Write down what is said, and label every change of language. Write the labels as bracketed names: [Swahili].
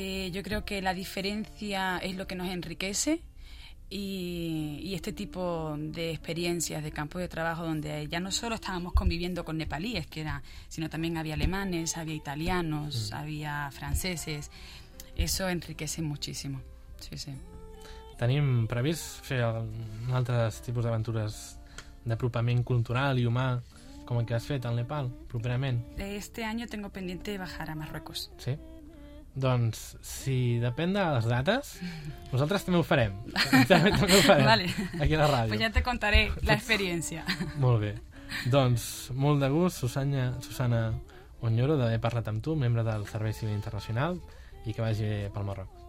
[Spanish] Yo creo que la diferencia es lo que nos enriquece. Y este tipo de experiencias de campo de trabajo donde ya no solo estábamos conviviendo con nepalíes, que era, sino también había alemanes, había italianos, había franceses, eso enriquece muchísimo. Sí, sí. [Catalan] Tenim previst fer altres tipus d'aventures d'apropament cultural i humà com el que has fet al Nepal properament? [Spanish] Este año tengo pendiente de bajar a Marruecos. [Catalan] Sí. Doncs, si depèn de les dates, nosaltres també ho farem. També ho farem. [Spanish] Vale. [Catalan] Aquí a la ràdio. [Spanish] Pues ya te contaré la experiencia. [Catalan] Molt bé. Doncs, molt de gust, Susana Unyoro, d'haver parlat amb tu, membre del Servei Civil Internacional, i que vagi bé pel Marroc.